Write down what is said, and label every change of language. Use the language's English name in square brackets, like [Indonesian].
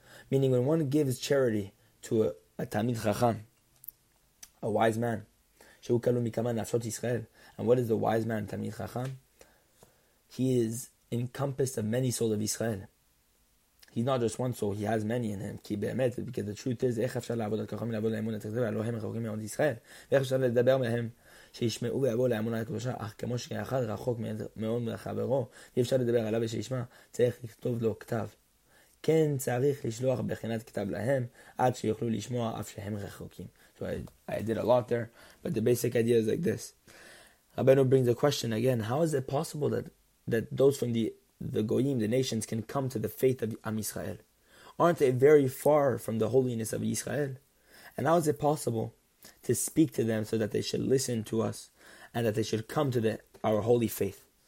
[English] Meaning when one gives charity to a Tamid Chacham, a wise man, and what is the wise man, Tamid Chacham? He is encompassed of many souls of Israel. He's not just one soul, he has many in him. Because the truth is, [Hebrew] כן צריך לשלוח בחינת כתב להם עד שיוכלו לשמוע אף שהם רחוקים. [English] So I did a lot there, but the basic idea is like this. Rabbeinu brings the question again, how is it possible that those from the goyim, the nations, can come to the faith of Am Yisrael? Aren't they very far from the holiness of Israel? And how is it possible to speak to them so that they should listen to us and that they should come to our holy faith?